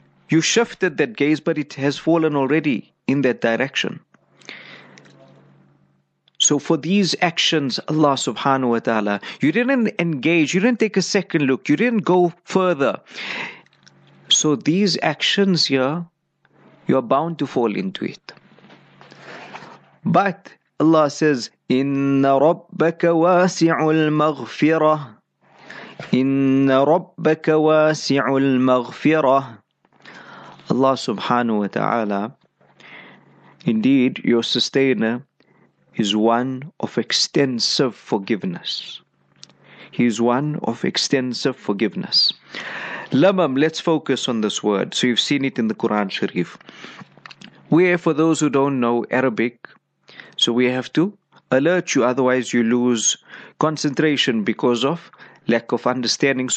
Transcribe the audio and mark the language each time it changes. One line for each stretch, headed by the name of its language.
English: You shifted that gaze, but it has fallen already in that direction. So for these actions, Allah subhanahu wa ta'ala, you didn't engage, you didn't take a second look, you didn't go further. So these actions here, you are bound to fall into it. But Allah says,
Arabic: إِنَّ رَبَّكَ وَاسِعُ الْمَغْفِرَةِ إِنَّ رَبَّكَ وَاسِعُ الْمَغْفِرَةِ.
English: Allah subhanahu wa ta'ala, indeed, your sustainer is one of extensive forgiveness. He is one of extensive forgiveness. Lamam, let's focus on this word. So you've seen it in the Quran Sharif. Where, for those who don't know Arabic, so we have to alert you, otherwise you lose concentration because of lack of understanding.